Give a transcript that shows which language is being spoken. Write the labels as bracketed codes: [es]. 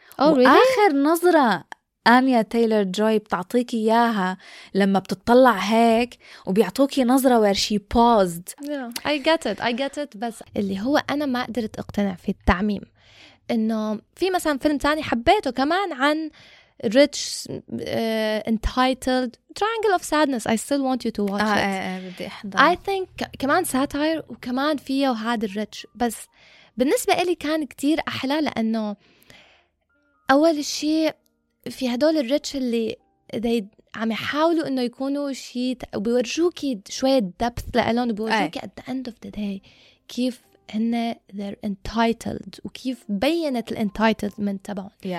[ar] وآخر نظرة آنيا تايلر جوي بتعطيك إياها لما بتطلع هيك وبيعطوكي نظرة [en] where she paused. I get it. I get it. [ar] بس اللي هو أنا ما قدرت اقتنع في التعميم إنه في مثلا فيلم تاني حبيته كمان عن [en] rich entitled [ar] triangle of sadness. [en] I still want you to watch it. I think كمان satire [ar] وكمان فيها وهذا [en] الrich. [ar] بس بالنسبة إلي كان كتير أحلى لأنه أول شيء في هدول الrich اللي they عم يحاولوا إنه يكونوا شيء بيورجوك شوية depth لألون بيورجوك [en] at the end of the day [ar] كيف هن [en] they're entitled [ar] وكيف بينت ال entitlement تبعهم.